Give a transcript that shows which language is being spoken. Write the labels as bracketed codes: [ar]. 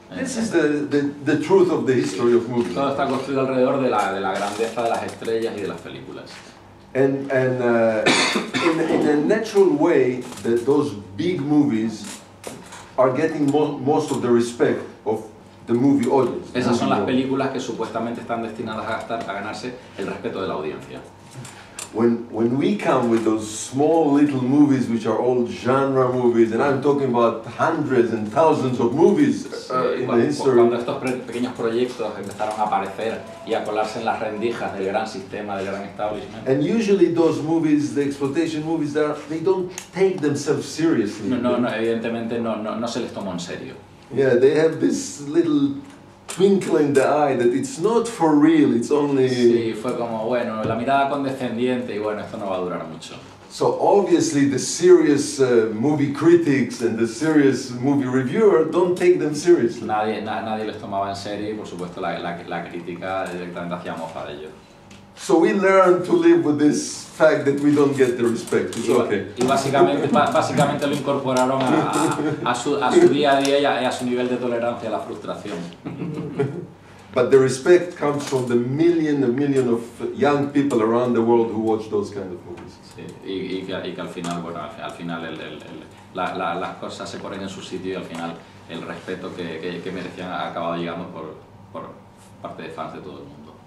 [en] This is the truth of the history of movies. [es] Todo está construido alrededor de la grandeza de las estrellas y de las películas. [en] In a natural way, that those big movies are getting most of the respect of the movie audience. [es] Esas son las películas que supuestamente están destinadas a ganarse el respeto de la audiencia. [en] When we come with those small little movies, which are all genre movies, and I'm talking about hundreds and thousands of movies in the history. [es] Cuando estos pequeños proyectos empezaron a aparecer y a colarse en las rendijas del gran sistema, del gran establishment. [en] And usually those movies, the exploitation movies, they don't take themselves seriously. [es] No, evidentemente no se les tomó en serio. [en] Yeah, they have this little twinkle in the eye that it's not for real, it's only... [es] Sí, fue como, bueno, la mirada condescendiente y bueno, esto no va a durar mucho. [en] So obviously the serious movie critics and the serious movie reviewer don't take them seriously. [es] Nadie les tomaba en serio y por supuesto la crítica directamente hacía mofa de ellos. [en] So we learn to live with this fact that we don't get the respect. It's okay. [es] Y básicamente lo incorporaron a su día a día y a su nivel de tolerancia a la frustración. [en] But the respect comes from the million of young people around the world who watch those kind of movies. [es] Sí. Y que al final, bueno, al final las cosas se ponen en su sitio y al final el respeto que merecían ha acabado llegando por parte de fans de todo el mundo.